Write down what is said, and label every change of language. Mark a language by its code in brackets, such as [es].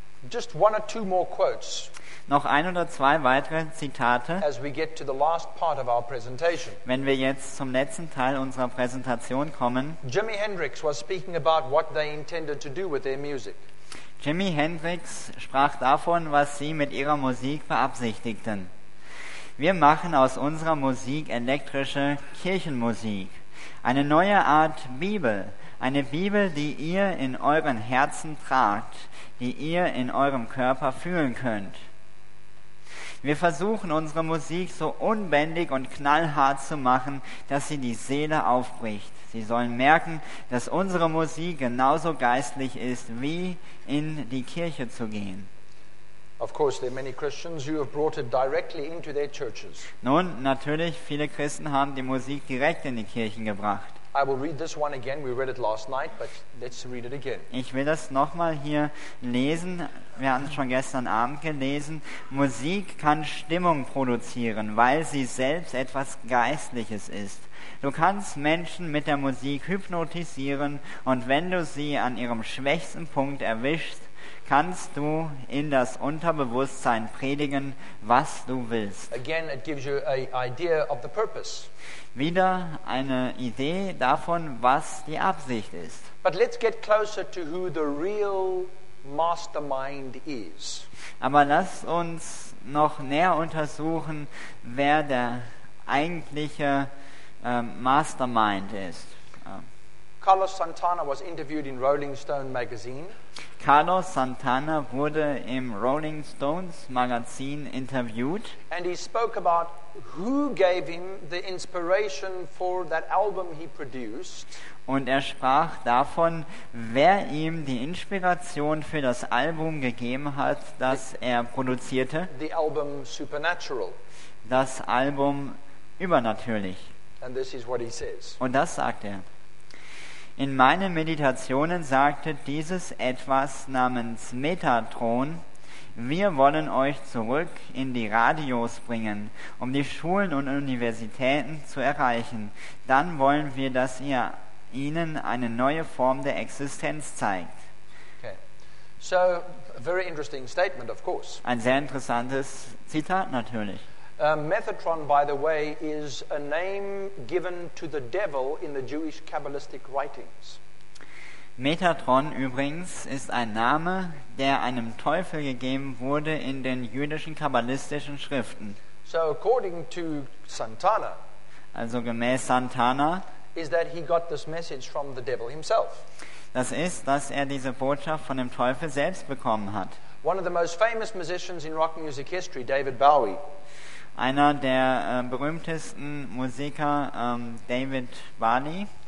[en] Just one or two more quotes. [de] Noch ein oder zwei weitere Zitate, [en] as we get to the last part of our presentation. [de] Wenn wir jetzt zum letzten Teil unserer Präsentation kommen. [en] Jimi Hendrix was speaking about what they intended to do with their music. [de] Jimi Hendrix sprach davon, was sie mit ihrer Musik beabsichtigten. Wir machen aus unserer Musik elektrische Kirchenmusik. Eine neue Art Bibel. Eine Bibel, die ihr in euren Herzen tragt, die ihr in eurem Körper fühlen könnt. Wir versuchen, unsere Musik so unbändig und knallhart zu machen, dass sie die Seele aufbricht. Sie sollen merken, dass unsere Musik genauso geistlich ist, wie in die Kirche zu gehen. [en] Of course, there are many Christians who have brought it directly into their churches. [de] Nun, natürlich, viele Christen haben die Musik direkt in die Kirchen gebracht. [en] I will read this one again. We read it last night, but let's read it again. [de] Ich will das nochmal hier lesen. Wir hatten es schon gestern Abend gelesen. Musik kann Stimmung produzieren, weil sie selbst etwas Geistliches ist. Du kannst Menschen mit der Musik hypnotisieren, und wenn du sie an ihrem schwächsten Punkt erwischst, kannst du in das Unterbewusstsein predigen, was du willst. [en] Again, it gives you an idea of the purpose. [de] Wieder eine Idee davon, was die Absicht ist. [en] But let's get closer to who the real mastermind is. [de] Aber lass uns noch näher untersuchen, wer der eigentliche Mastermind ist. [en] Carlos Santana was interviewed in Rolling Stone magazine. [de] Carlos Santana wurde im Rolling Stones Magazin interviewt. [en] And he spoke about who gave him the inspiration for that album he produced. [de] Und er sprach davon, wer ihm die Inspiration für das Album gegeben hat, das er produzierte. [en] The album Supernatural. [de] Das Album Übernatürlich. [en] And this is what he says. [de] Und das sagt er. In meinen Meditationen sagte dieses Etwas namens Metatron: Wir wollen euch zurück in die Radios bringen, um die Schulen und Universitäten zu erreichen. Dann wollen wir, dass ihr ihnen eine neue Form der Existenz zeigt. [en] Okay. So, a very interesting statement, of course. [de] Ein sehr interessantes Zitat natürlich. [en] Metatron, by the way, is a name given to the devil in the Jewish Kabbalistic writings. [de] Metatron übrigens ist ein Name, der einem Teufel gegeben wurde in den jüdischen kabbalistischen Schriften. [en] So according to Santana, [de] also gemäß Santana, [en] is that he got this message from the devil himself. [de] Das ist, dass er diese Botschaft von dem Teufel selbst bekommen hat. [en] One of the most famous musicians in rock music history, David Bowie. [de] Einer der berühmtesten Musiker, David Bowie,